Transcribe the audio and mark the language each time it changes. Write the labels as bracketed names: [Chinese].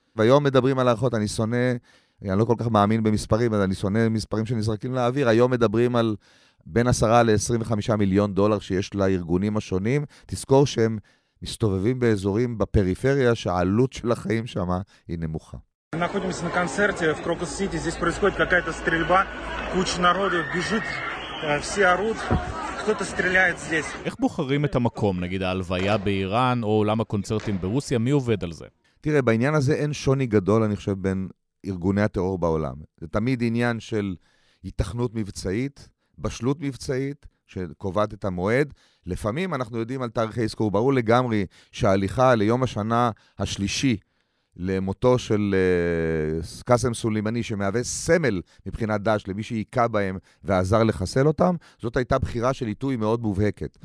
[Hebrew] והיום מדברים על הערכות, אני שונא, אני לא כל כך מאמין במספרים, אני שונא מספרים שנזרקים לאוויר, היום מדברים על בין 10-25 מיליון דולר שיש לארגונים השונים. תזכור שהם מסתובבים באזורים בפריפריה שהעלות של החיים שם היא נמוכה. [Russian] находимся на концерте в Крокус Сити. Здесь происходит какая-то стрельба, куча народу бежит, все орут, кто-то стреляет здесь. [Hebrew] איך בוחרים את המקום, נגיד ההלוויה באיראן או עולם הקונצרטים ברוסיה? מי עובד על זה? תראה, בעניין הזה אין שוני גדול, אני חושב, בין ארגוני הטרור בעולם. זה תמיד עניין של התכנות מבצעית, בשלות מבצעית שקובעת את המועד. לפעמים אנחנו יודעים על תאריכי עסקור, ברור לגמרי שההליכה ליום השנה השלישי למותו של קאסם סולימני, שמהווה סמל מבחינת דאעש למי שהיכה בהם ועזר לחסל אותם, זאת הייתה בחירה של עיתוי מאוד מובהקת.